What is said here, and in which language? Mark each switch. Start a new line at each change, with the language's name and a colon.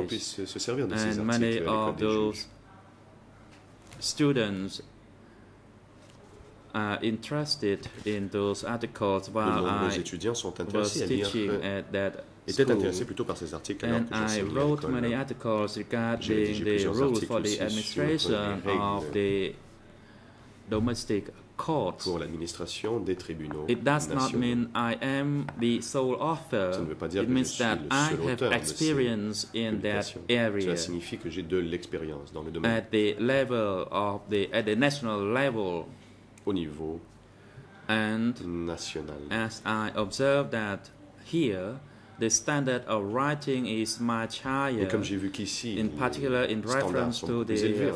English: And many of those students are interested in those articles while I was teaching at that school. And I wrote many articles regarding the rules for the administration of the domestic court.
French: Pour l'administration des tribunaux.
English: It does not mean I am the sole author.
French: Ça ne veut pas dire que je suis le seul auteur de ces publications. Cela signifie que j'ai de l'expérience dans le domaine.
English: At the level of the at the national level.
French: Au niveau
English: and
French: national.
English: As I observe that here, the standard of writing is much higher.
French: Et comme j'ai vu qu'ici,
English: in particular in reference to the